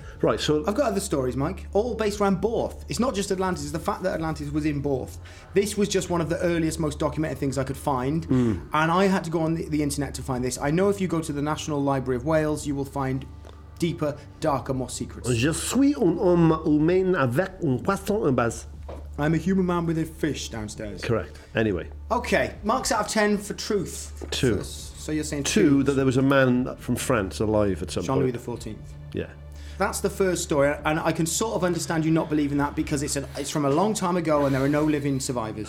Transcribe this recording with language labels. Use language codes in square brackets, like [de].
[en] Right, so... I've got other stories, Mike. All based around Borth. It's not just Atlantis. It's the fact that Atlantis was in Borth. This was just one of the earliest, most documented things I could find. Mm. And I had to go on the internet to find this. I know if you go to the National Library of Wales, you will find deeper, darker, more secrets. [fr] Je suis un homme humain avec un poisson en bas. [en] I'm a human man with a fish downstairs. Correct. Anyway. Okay. Marks out of 10 for truth. 2. So you're saying 2. 2, that there was a man from France alive at some point. Jean-Louis XIV. Yeah. That's the first story, and I can sort of understand you not believing that because it's from a long time ago and there are no living survivors.